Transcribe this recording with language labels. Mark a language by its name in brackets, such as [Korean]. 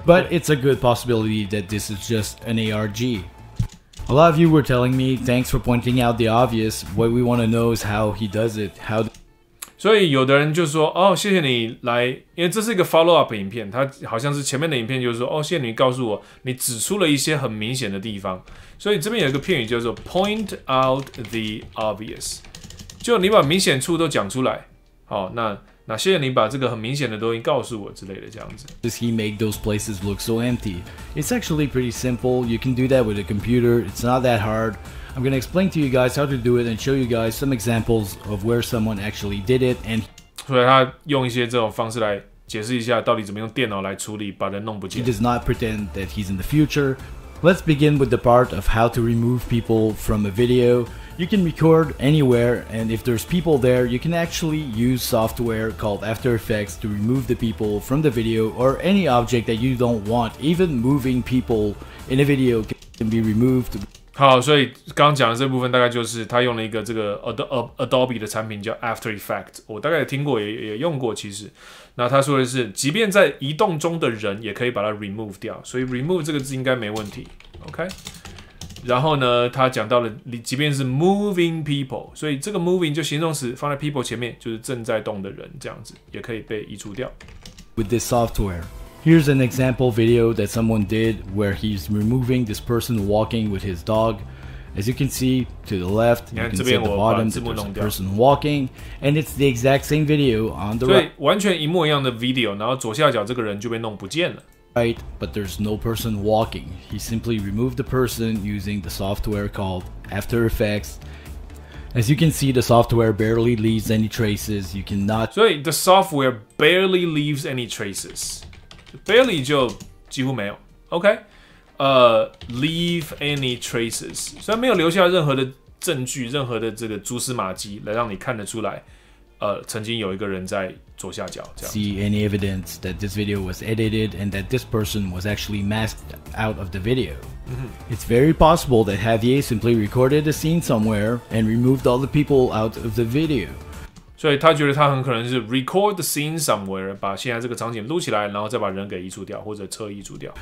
[English] But it's a good possibility that this is just an ARG. A lot of you were telling me, thanks for pointing out the obvious. What we want to know is how he does it. How? [Chinese] 所以有的人就说，哦，谢谢你来，因为这是一个 follow up 影片，他好像是前面的影片就是说，哦，谢谢你告诉我，你指出了一些很明显的地方。所以这边有一个片语叫做 [English] point out the obvious。 [Chinese] 就你把明显处都讲出来，好，那谢谢你把这个很明显的东西告诉我之类的，这样子。 [English] Does he make those places look so empty? It's actually pretty simple. You can do that with a computer. It's not that hard. I'm gonna explain to you guys how to do it and show you guys some examples of where someone actually did it. And [Chinese] 所以他用一些这种方式来解释一下到底怎么用电脑来处理把人弄不见。 [English] He does not pretend that he's in the future. Let's begin with the part of how to remove people from a video. You can record anywhere, and if there's people there, you can actually use software called After Effects to remove the people from the video or any object that you don't want. Even moving people in a video can be removed. [Chinese] 好，所以刚讲的这部分大概就是他用了一个这个 Adobe 的产品叫 After Effects， 我大概也听过，也用过。其实，那他说的是，即便在移动中的人也可以把它 remove 掉，所以 remove 这个字应该没问题。OK。然后呢，他讲到了，即便是 [English] moving people， [Chinese] 所以这个 moving 就形容词放在 people 前面，就是正在动的人，这样子也可以被移除掉。 [English] With this software, here's an example video that someone did where he's removing this person walking with his dog. As you can see to the left, you can see the bottom, the person walking, and it's the exact same video on the right. [Chinese] 对，完全一模一样的 video， 然后左下角这个人就被弄不见了。 [English] Right, but there's no person walking. He simply removed the person using the software called After Effects. As you can see, the software barely leaves any traces. You cannot. So the software barely leaves any traces. [Chinese] Barely 就几乎没有。 [English] OK, leave any traces. [Chinese] 虽然没有留下任何的证据、任何的这个蛛丝马迹来让你看得出来，曾经有一个人在左下角这样。 [English] See any evidence that this video was edited and that this person was actually masked out of the video?、Mm-hmm. It's very possible that Javier simply recorded a scene somewhere and removed all the people out of the video. [Chinese] 所以他觉得他很可能是 [English] record the scene somewhere, [Chinese] 把现在这个场景录起来，然后再把人给移除掉或者车移除掉。